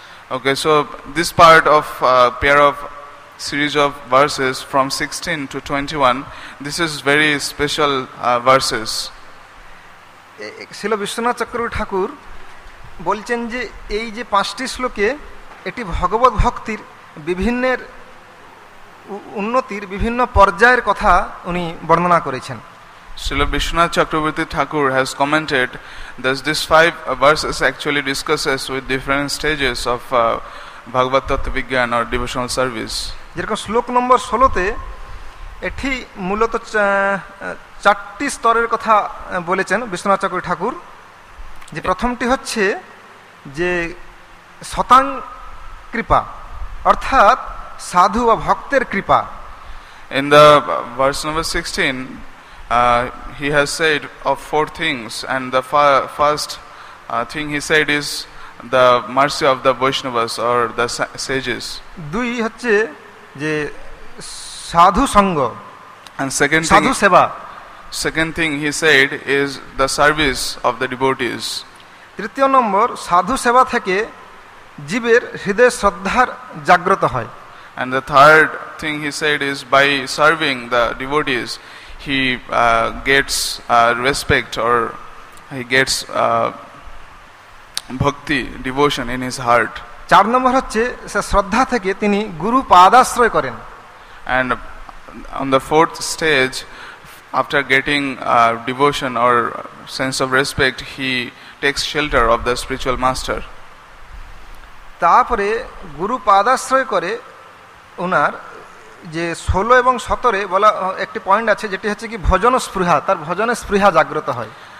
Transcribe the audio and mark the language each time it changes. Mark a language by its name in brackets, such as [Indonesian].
[English] Okay, so this part of pair of series of verses from 16 to 21, this is very special verses. [Bangla] Srila Vishwanath Chakravarti Thakur বলছেন যে এই যে পাঁচটি শ্লোকে এটি ভগবত ভক্তির বিভিন্ন উন্নতির বিভিন্ন পর্যায়ের কথা উনি বর্ণনা করেছেন। [English] Srila Vishwanath Chakravarti Thakur has commented that this five verses actually discusses with different stages of Bhagavat Tattva Vigyan or devotional service. [Bangla] যেরকম শ্লোক নম্বর 16 তে এটি মূলত চারটি স্তরের কথা বলেছেন বিশ্বনাথ চক্রবর্তী ঠাকুর। যে প্রথমটি হচ্ছে যে সতাং কৃপা, অর্থাৎ সাধু বা ভক্তের কৃপা। [English] In the verse number 16 he has said of four things, and the first thing he said is the mercy of the Vaishnavas or the sages. [Bangla] দুই হচ্ছে যে সাধু সঙ্গ, [English] and second thing, [Bangla] সাধু সেবা। [English] Second thing he said is the service of the devotees. [Bangla] তৃতীয় নম্বর সাধু সেবা থেকে জীবের হৃদয় শ্রদ্ধার জাগ্রত হয়। [English] And the third thing he said is by serving the devotees he gets respect or he gets bhakti devotion in his heart. [Bangla] চার নম্বর হচ্ছে শ্রদ্ধা থেকে তিনি গুরু পাদাশ্রয় করেন। [English] And on the fourth stage, after getting devotion or sense of respect, he takes shelter of the spiritual master. [Bangla] তারপরে গুরু পাদাশ্রয় করে ওনার যে 16 এবং 17 এ বলা একটি পয়েন্ট আছে, যেটি হচ্ছে কি ভজন স্পৃহা, তার ভজন স্পৃহা জাগ্রত হয়।